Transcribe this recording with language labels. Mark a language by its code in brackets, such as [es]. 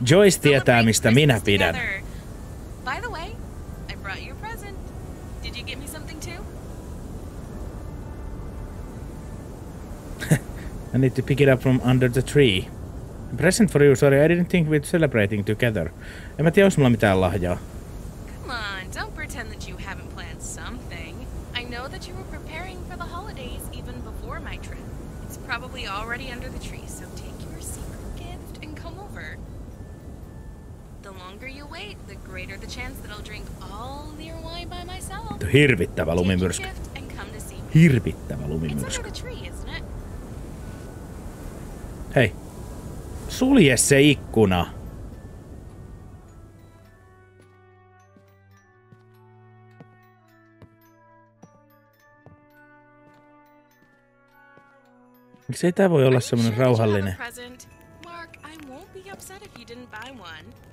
[fi] Joyce tietää, mistä minä pidän. [en] By the way, I brought you a present. Did you get me something too? I need to pick it up from under the tree. A present for you, sorry. I didn't think we'd celebrating together. [fi] En mä tiedä, onko mulla mitään lahjaa. [en] Come on, don't pretend that you haven't planned something. I know that you were preparing for the holidays even before my trip. It's probably already under the tree, so take your secret gift and come over. The longer you wait, the greater the chance that I'll drink all your wine by myself. [fi] Hirvittävä lumimyrsky. Hirvittävä lumimyrsky. It's under the tree, isn't it? Hei, sulje se ikkuna. Miksei tää voi olla semmonen rauhallinen? [en] Mark, I won't be upset if you didn't buy one.